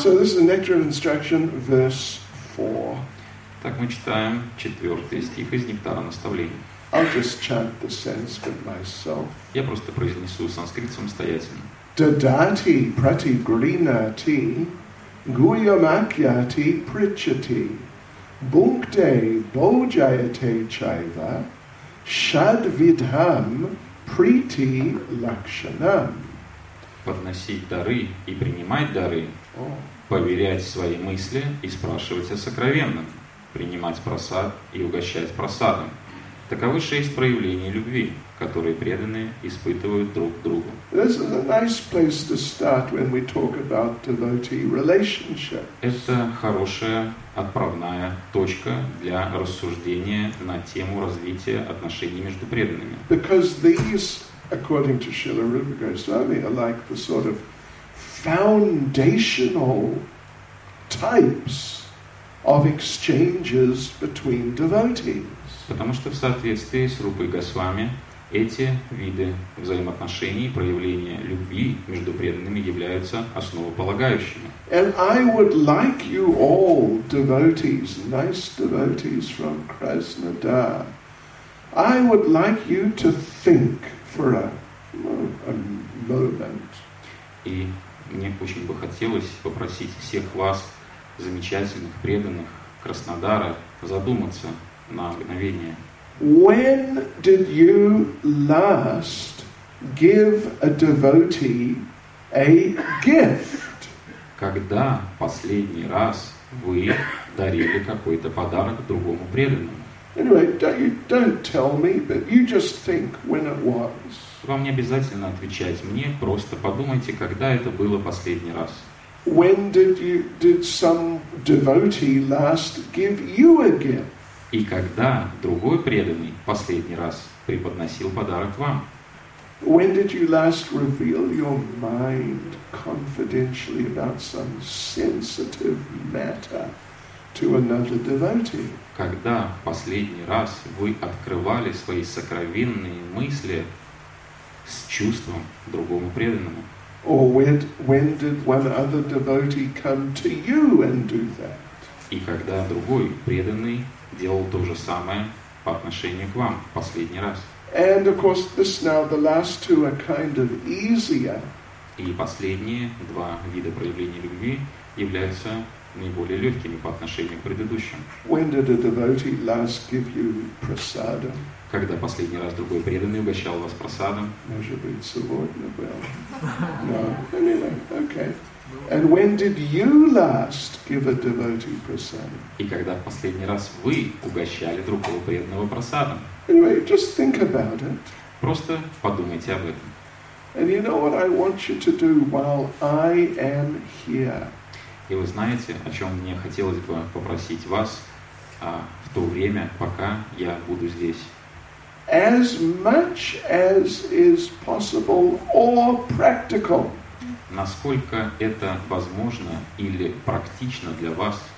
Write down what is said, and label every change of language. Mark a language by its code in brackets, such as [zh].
[en] So this is the Nectar of Instruction, verse 4. [ru] Так мы читаем четвертый стих из Нектара наставлений. [en] I'll just chant the Sanskrit myself. [ru] Я просто произнесу санскрит самостоятельно. [sa] Dadati prati grinati guhyamakyati prichati. Bhunkte bhojayate chaiva shadvidham priti lakshanam. [ru] Подносить дары и принимать дары, поверять свои мысли и спрашивать о сокровенном, принимать просад и угощать просадом. Таковы шесть проявлений любви, которые преданные испытывают друг к другу. [en] This is a nice place to start when we talk about devotee relationships. [ru] Это хорошая отправная точка для рассуждения на тему развития отношений между преданными. [en] Because these, according to Srila Rupa Goswami, are like the sort of foundational types of exchanges between devotees. [ru] Потому что в соответствии с Рупой Госвами эти виды взаимоотношений, проявления любви между преданными являются основополагающими. [en] And I would like you all, devotees, nice devotees from Krasnodar, I would like you to think for a moment. [ru] И мне очень бы хотелось попросить всех вас, замечательных, преданных Краснодара, задуматься на мгновение. [en] When did you last give a devotee a gift? [ru] Когда последний раз вы дарили какой-то подарок другому преданному? [en] Anyway, don't tell me, but you just think when it was. [ru] Вам не обязательно отвечать мне, просто подумайте, когда это было последний раз. [en] When did some devotee last give you a gift? [ru] И когда другой преданный последний раз преподносил подарок вам? [en] When did you last reveal your mind confidentially about some sensitive matter to another devotee? [ru] Когда последний раз вы открывали свои сокровенные мысли с чувством другому преданному? [en] Or when did one other devotee come to you and do that? [ru] И когда другой преданный делал то же самое по отношению к вам последний раз. [en] And of course, this now the last two are kind of easier. [ru] И последние два вида проявления любви являются наиболее легкими по отношению к предыдущим. [en] When did a devotee last give you prasada? [ru] Когда последний раз другой преданный угощал вас просадом? Может быть, сегодня был. [en] No, anyway, okay. And when did you last give a devotee prasada? [ru] И когда в последний раз вы угощали другого преданного просадом? [en] Anyway, just think about it. [ru] Просто подумайте об этом. [en] And you know what I want you to do while I am here? [ru] И вы знаете, о чем мне хотелось бы попросить вас в то время, пока я буду здесь? [en] As much as is possible or practical. [ru] Насколько это возможно или практично для вас?